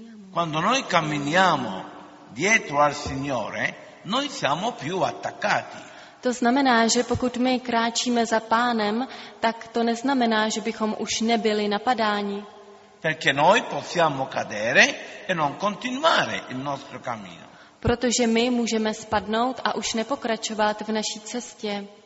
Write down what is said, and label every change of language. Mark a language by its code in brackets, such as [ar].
[it] Quando noi camminiamo dietro al Signore noi siamo più attaccati. [cs] To znamená, že pokud my kráčíme za Pánem, tak to neznamená, že bychom už nebyli napadáni. [it] Perché noi possiamo cadere e non continuare il nostro cammino. [cs] Protože my můžeme spadnout a už nepokračovat v naší cestě.